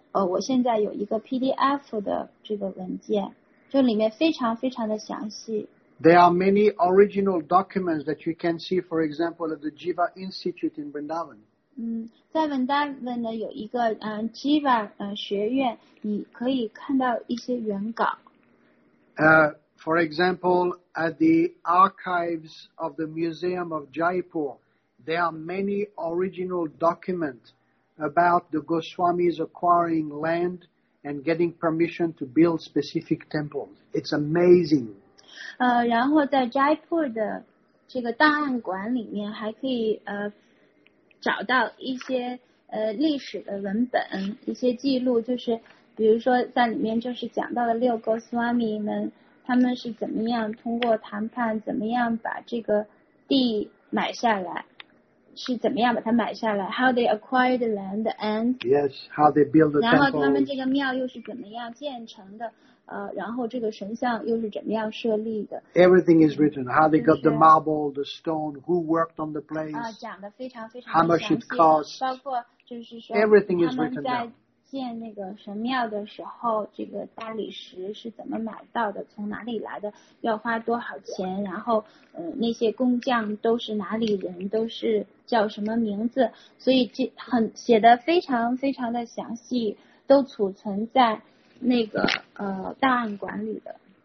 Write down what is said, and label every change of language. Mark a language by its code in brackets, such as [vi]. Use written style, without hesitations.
[zh] 我现在有一个 PDF 的这个文件，这里面非常非常的详细。 [en] There are many original documents that you can see, for example, at the Jiva Institute in Vrindavan. [zh] 嗯，在文达文的有一个嗯 Jiva 嗯学院，你可以看到一些原稿。 [en] For example, at the archives of the Museum of Jaipur, there are many original documents about the Goswamis acquiring land and getting permission to build specific temples. It's amazing. [zh] 然后在 Jaipur 的这个档案馆里面还可以找到一些历史的文本，一些记录，就是比如说在里面就是讲到了六 Goswami 们。他们是怎么样通过谈判，怎么样把这个地买下来？是怎么样把它买下来 ？ [en] How they acquired the land and yes, how they build the temple. [zh] 然后他们这个庙又是怎么样建成的？然后这个神像又是怎么样设立的 [en] ？Everything is written. How they got the marble, the stone, who worked on the place. [zh] 讲的非常非常详细。 [en] How much it cost. [zh] 包括就是说 [en] ，everything is written down. [zh] 建那个神庙的时候，这个大理石是怎么买到的？从哪里来的？要花多少钱？然后，那些工匠都是哪里人？都是叫什么名字？所以这很写的非常非常的详细，都储存在那个档案馆里的。